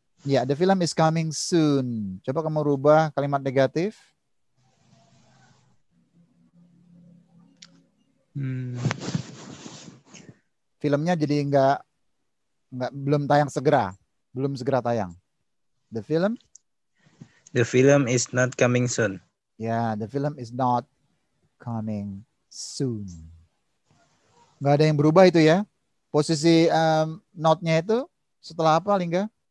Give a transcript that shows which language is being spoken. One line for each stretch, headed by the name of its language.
English: Ya, yeah, the film is coming soon.
Indonesian: Coba kamu rubah kalimat negatif. Filmnya jadi belum tayang segera, belum segera tayang.
English: The film is not coming soon. Ya, yeah, the film is not coming soon.
Indonesian: Gak ada yang berubah itu ya? Posisi not-nya itu setelah apa, Lingga?